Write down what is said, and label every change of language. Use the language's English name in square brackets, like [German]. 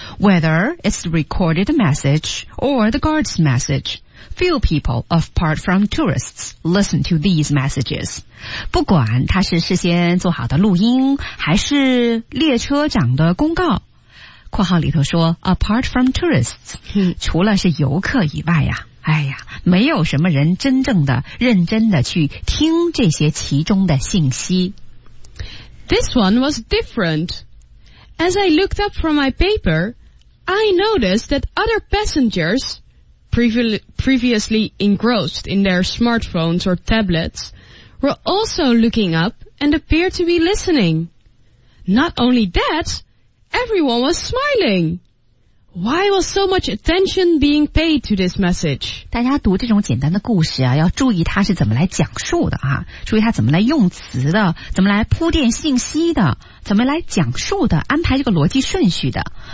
[English] Whether it's the recorded message or the guard's message, few people apart from tourists listen to these messages. [Chinese] 不管它是事先做好的录音还是列车长的公告。括号里头说 [English] apart from tourists, [Chinese] 除了是游客以外啊。哎呀，没有什么人真正的认真的去听这些其中的信息。 [English] This one was different. As I looked up from my paper, I noticed that other passengers, previously engrossed in their smartphones or tablets, were also looking up and appeared to be listening. Not only that, everyone was smiling. Why was so much attention being paid to this message? [Chinese] 大家读这种简单的故事啊，要注意它是怎么来讲述的啊，注意它怎么来用词的，怎么来铺垫信息的，怎么来讲述的，安排这个逻辑顺序的。